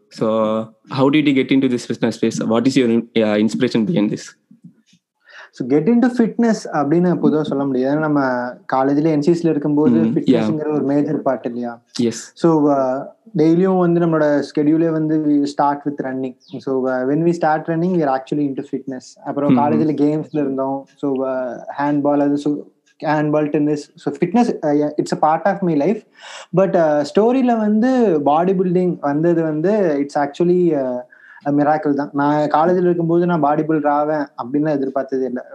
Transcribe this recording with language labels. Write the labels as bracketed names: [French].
[English] So how did you get into this fitness space? What is your inspiration behind this? So get into fitness [Tamil] அப்படின்னு பொதுவாக சொல்ல முடியாது. நம்ம காலேஜ்ல என்சிஎஸ்ல இருக்கும்போது ஃபிட்னஸ்ங்கிற ஒரு மேஜர் பார்ட் இல்லையா? [English] Yes. [Tamil] So டெய்லியும் வந்து நம்மளோட ஸ்கெடியூலே வந்து [English] Start with running. So when we start running, we are actually into fitness. [Tamil] அப்புறம் காலேஜ்ல கேம்ஸ்ல இருந்தோம். [English] So handball அது handball tennis so fitness it's a part of my life. [Tamil] But ஸ்டோரியில வந்து பாடி பில்டிங் வந்தது வந்து [English] it's actually miracle [Tamil] தான். நான் காலேஜில் இருக்கும்போது நான் பாடி பில்டர் ஆவேன் அப்படின்னு எதிர்பார்த்தது இல்லை.